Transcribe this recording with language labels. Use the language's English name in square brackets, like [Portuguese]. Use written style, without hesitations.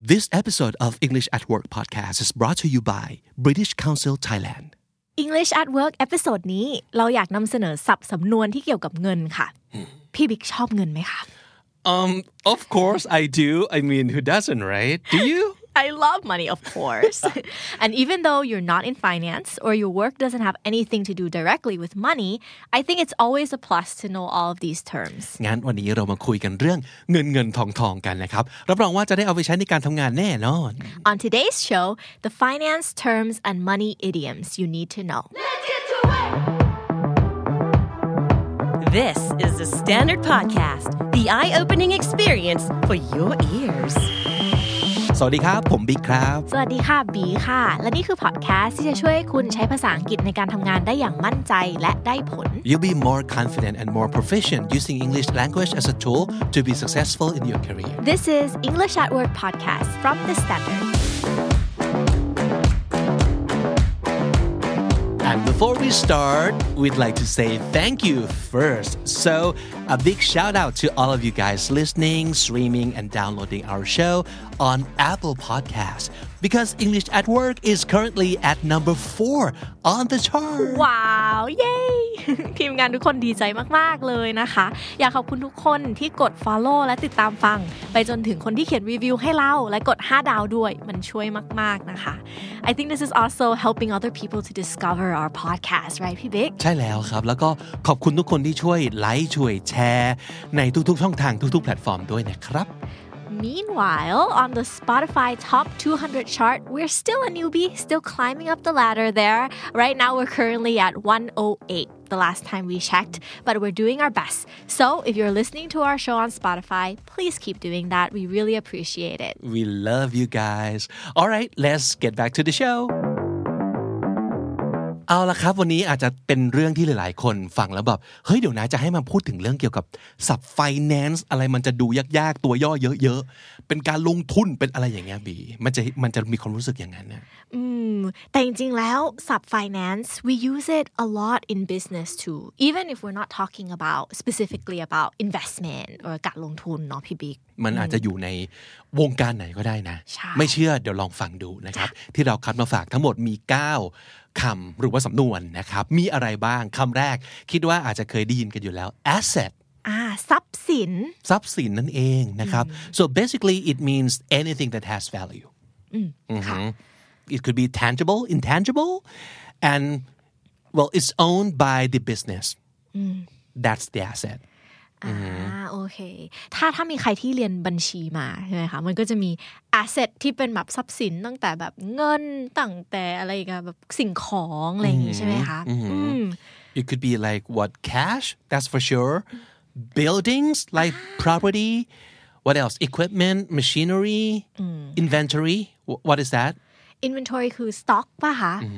[English] This episode of English at Work podcast is brought to you by British Council Thailand. [Thai] English at Work episode นี้เราอยากนำเสนอศัพท์สำนวนที่เกี่ยวกับเงินค่ะพี่บิ๊กชอบเงินไหมคะ [English] Of course I do. I mean, who doesn't, right? Do you? I love money, of course. And even though you're not in finance or your work doesn't have anything to do directly with money, I think it's always a plus to know all of these terms. [Thai] งั้นวันนี้เรามาคุยกันเรื่องเงินทองกันนะครับรับรองว่าจะได้เอาไปใช้ในการทำงานแน่นอน [English] On today's show, the finance terms and money idioms you need to know. Let's get to it! This is the Standard Podcast, the eye-opening experience for your ears. [Thai] สวัสดีครับผมบิ๊กครับ สวัสดีค่ะบีค่ะและนี่คือพอดแคสต์ที่จะช่วยคุณใช้ภาษาอังกฤษในการทำงานได้อย่างมั่นใจและได้ผล [English] You'll be more confident and more proficient using English language as a tool to be successful in your career. This is English at Work podcast from The Standard. And before we start, we'd like to say thank you first. So, a big shout out to all of you guys listening, streaming, and downloading our show on Apple Podcasts. Because English at Work is currently at number 4 on the chart. Wow! Yay! [Thai] ทีมงานทุกคนดีใจมากๆเลยนะคะอยากขอบคุณทุกคนที่กด follow และติดตามฟังไปจนถึงคนที่เขียนรีวิวให้เราและกด5ดาวด้วยมันช่วยมากๆนะคะ [English] I think this is also helping other people to discover our podcast, right, [Thai] พี่บิ๊ก ใช่แล้วครับแล้วก็ขอบคุณทุกคนที่ช่วยไลค์ช่วยแชร์ในทุกๆช่องทางทุกๆแพลตฟอร์มด้วยนะครับ [English] Meanwhile, on the Spotify Top 200 chart, we're still a newbie, still climbing up the ladder there. Right now, we're currently at 108, the last time we checked, but we're doing our best. So, if you're listening to our show on Spotify, please keep doing that. We really appreciate it. We love you guys. All right, let's get back to the show. [Thai] เอาละครับวันนี้อาจจะเป็นเรื่องที่หลายๆคนฟังแล้วแบบเฮ้ยเดี๋ยวนะจะให้มาพูดถึงเรื่องเกี่ยวกับศัพท์ finance อะไรมันจะดูยากๆตัวย่อเยอะๆเป็นการลงทุนเป็นอะไรอย่างเงี้ยบีมันจะมีความรู้สึกอย่างนั้นนะ แต่จริงๆแล้วศัพท์ [English] finance we use it a lot in business too even if we're not talking about specifically about investment or [Thai] การลงทุนเนาะพี่บิ๊ก มันอาจจะอยู่ในวงการไหนก็ได้นะไม่ เชื่อเดี๋ยวลองฟังดูนะครับที่เราคัดมาฝากทั้งหมดมี9คำหรือว่าสำนวนนะครับมีอะไรบ้างคำแรกคิดว่าอาจจะเคยได้ยินกันอยู่แล้ว asset ทรัพย์สิน ทรัพย์สินนั่นเองนะครับ [English] so basically it means anything that has value it could be tangible intangible and well it's owned by the business that's the asset [Thai] โอเคถ้ามีใครที่เรียนบัญชีมาใช่ไหมคะมันก็จะมี asset ที่เป็นแบบทรัพย์สินตั้งแต่แบบเงินตั้งแต่อะไรกันแบบสิ่งของอะไรอย่างงี้ใช่ไหมคะ [English] It could be like what cash that's for sure buildings like property what else equipment machinery inventory what is that [Thai] inventory คือ stock ป่ะคะ